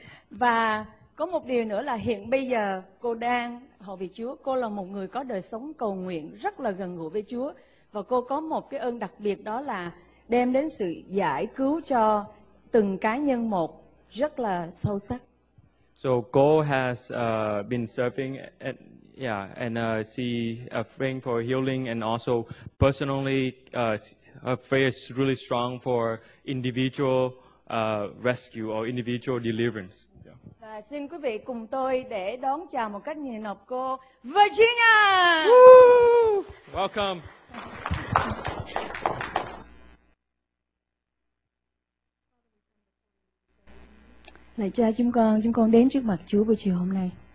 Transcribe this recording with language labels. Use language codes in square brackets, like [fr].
[vi] Và có một điều nữa là hiện bây giờ cô đang hầu việc Chúa. Cô là một người có đời sống cầu nguyện rất là gần gũi với Chúa. Và cô có một cái ơn đặc biệt, đó là đem đến sự giải cứu cho từng cá nhân một rất là sâu sắc. [en] So cô has been serving at, and she praying for healing, and also personally her prayer is really strong for individual rescue or individual deliverance. [vi] Và xin quý vị cùng tôi để đón chào một cách nhiệt liệt cô Virginia. [en] Woo! Welcome. [vi] Lạy Cha, chúng con đến trước mặt Chúa buổi chiều hôm nay.